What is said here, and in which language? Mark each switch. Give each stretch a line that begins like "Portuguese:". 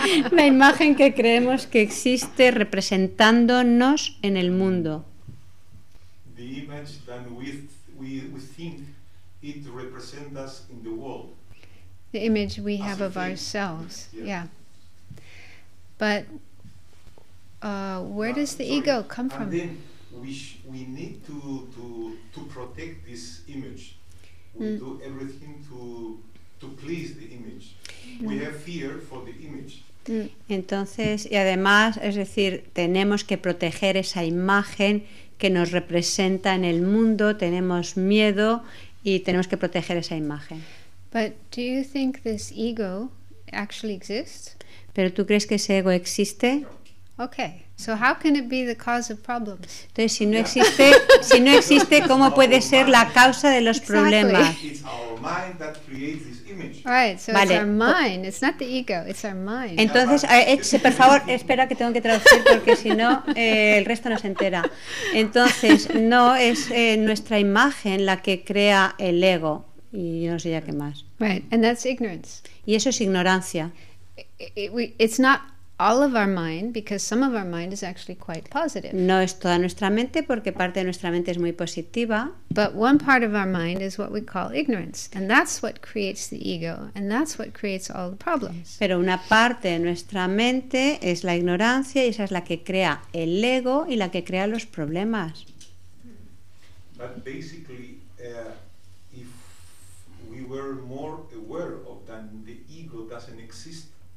Spanish: La imagen que creemos que existe representándonos en el mundo.
English: The image that we think it represents us in the world. The image we have of ourselves. Yeah. But where does the ego come from? And then we need to protect this image. We do everything to please the image. We have fear for the image.
Spanish: Entonces, y además, es decir, tenemos que proteger esa imagen que nos representa en el mundo, tenemos miedo y tenemos que proteger esa imagen.
English: But do you think this ego actually exists?
Spanish: ¿Pero tú crees que ese ego existe?
English: Okay. So how can it be the cause of problems?
Spanish: Entonces, si no existe, si no existe, ¿cómo puede ser la causa de los problemas?
English: It's our mind that creates this image. Right, so vale. It's our mind. It's not the ego, it's our mind.
Spanish: Entonces, por favor, espera que tengo que traducir porque si no, el resto no se entera. Entonces, no es nuestra imagen la que crea el ego y yo no sé ya qué más.
English: Right, and that's ignorance.
Spanish: Y eso es ignorancia.
English: It's not all of our mind, because some of our mind is actually quite positive.
Spanish: No es toda nuestra mente, porque parte de nuestra mente es muy positiva.
English: But one part of our mind is what we call ignorance, and that's what creates the ego, and that's what creates all the problems.
Spanish: Pero una parte de nuestra mente es la ignorancia, y esa es la que crea el ego y la que crea los problemas.
English: But basically, if we were more aware of that, the ego doesn't exist.